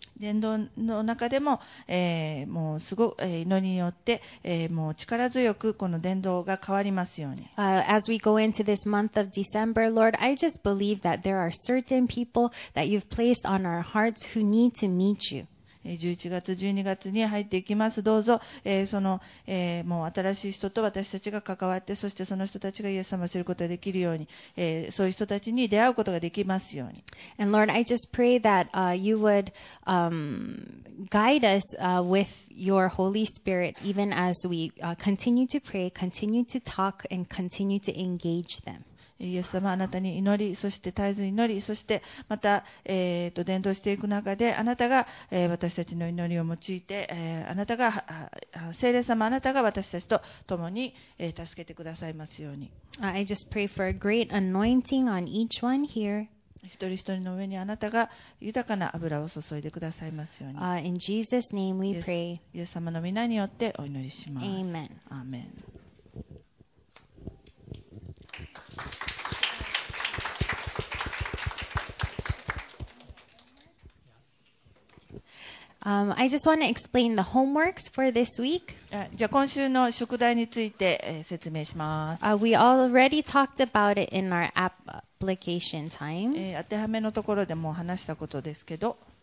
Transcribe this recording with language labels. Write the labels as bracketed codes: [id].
[ja] 伝道の中でも、もうすごく、祈りによって、もう力強くこの伝道が変わりますように。 [en] As we go into this month of December, Lord, I just believe that there are certain people that you've placed on our hearts who need to meet you. [ja] 11月12月に入っていきます。どうぞ、その、もう新しい人と私たちが関わって、そしてその人たちがイエス様を知ることができるように、そういう人たちに出会うことができますように。 [en] And Lord, I just pray that you would guide us with your Holy Spirit even as we continue to pray, continue to talk and continue to engage them. [ja] イエス様、あなたに祈り、そして絶えず祈り、そしてまた、伝道していく中で、あなたが、私たちの祈りを用いて、あなたが聖霊様、あなたが私たちと共に、助けてくださいますように。 [en] I just pray for a great anointing on each one here. [ja] 一人一人の上にあなたが豊かな油を注いでくださいますように。 [en] In Jesus' name we pray. [ja] イエス様の名によってお祈りします。 [en] Amen. Amen. I just want to explain the homeworks for this week. [ja] じゃあ今週の宿題について、説明します。 [en] We already talked about it in our application time. [ja] 当てはめのところでもう話したことですけど。